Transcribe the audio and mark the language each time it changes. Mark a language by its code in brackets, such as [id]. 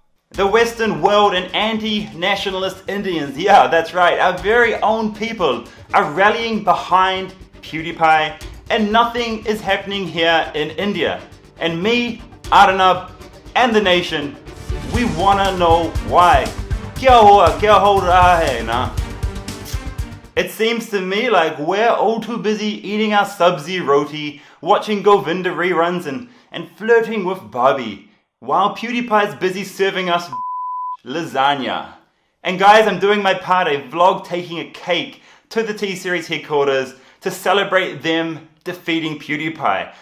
[en] The Western world and anti-nationalist Indians, yeah, that's right, our very own people are rallying behind PewDiePie, and nothing is happening here in India. And me, Arnab, and the nation, we wanna know why. [hi] क्या हुआ, क्या हो रहा है ना? [en] It seems to me like we're all too busy eating our sabzi roti, watching Govinda reruns, and flirting with Barbie, while PewDiePie's busy serving us lasagna. And guys, I'm doing my part, a vlog taking a cake to the T-Series headquarters to celebrate them defeating PewDiePie.